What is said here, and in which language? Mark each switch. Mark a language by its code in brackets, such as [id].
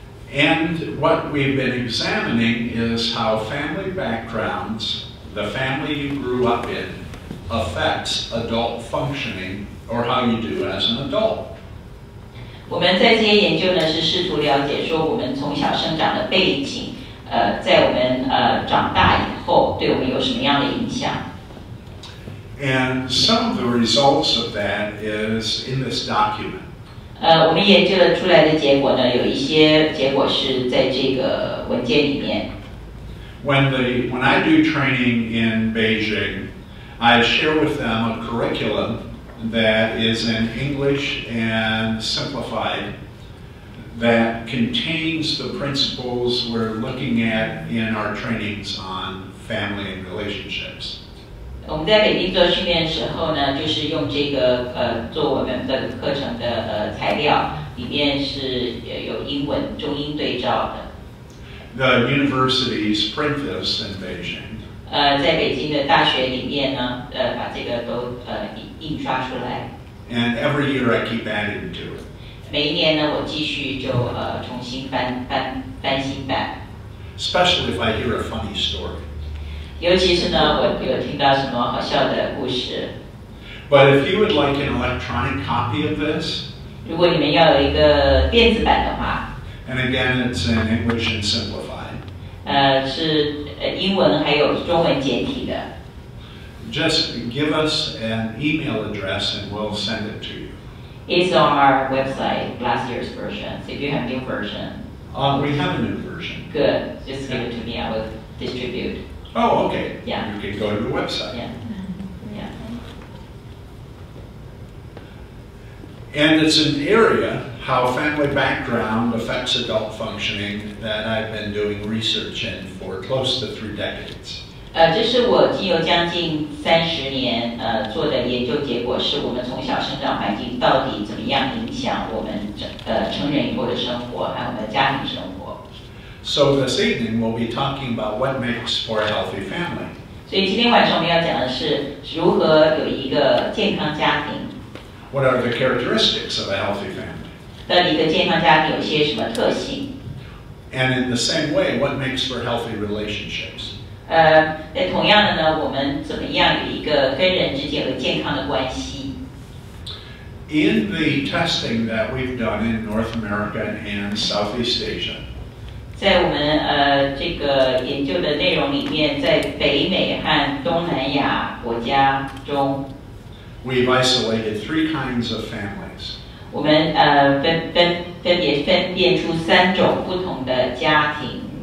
[en] And what we've been examining is how family backgrounds, the family you grew up in, affects adult functioning or how you do as an adult. [zh] 我们在这些研究呢，是试图了解说我们从小生长的背景，在我们长大以后，对我们有什么样的影响。 [en] And some of the results of that is in this document. [zh] 我们研究了出来的结果呢，有一些结果是在这个文件里面。 [en] When I do training in Beijing, I share with them a curriculum. That is in English and simplified, that contains the principles we're looking at in our trainings on family and relationships. [zh] 我们在北京做训练的时候呢，就是用这个做我们的课程的材料，里面是有英文中英对照的。 [en] The universities print this in Beijing. [zh] 在北京的大学里面呢，把这个都印刷出来。 [en] And every year I keep adding to it. [zh] 每一年呢，我继续就重新翻新版。 [en] Especially if I hear a funny story. [zh] 尤其是呢，我有听到什么好笑的故事。 [en] But if you would like an electronic copy of this, [zh] 如果你们要有一个电子版的话 [en] ，And again, it's in English and simplified. [zh] 是。英文还有中文简体的。 [en] Just give us an email address and we'll send it to you. It's on our website, last year's version. So if you have a new version. We have a new version. Good. Just give it to me. I will distribute. Oh, okay. Yeah. You can go to the website. Yeah. And it's an area, how family background affects adult functioning that I've been doing research in for close to 3 decades. [zh] 这是我已经有将近30年做的研究结果，是我们从小生长环境到底怎么样影响我们成人以后的生活，还有我们的家庭生活。 [en] So this evening we'll be talking about what makes for a healthy family. [zh] 所以今天晚上我们要讲的是如何有一个健康家庭。 [en] What are the characteristics of a healthy family? [zh] 到底一个健康家庭有些什么特性 [en] ？And in the same way, what makes for healthy relationships? [zh] 那同样的呢，我们怎么样有一个跟人之间有健康的关系 [en] ？In the testing that we've done in North America and Southeast Asia, [zh] 在我们这个研究的内容里面，在北美和东南亚国家中 [en] ，we've isolated 3 kinds of families. [zh] 我们分别分辨出三种不同的家庭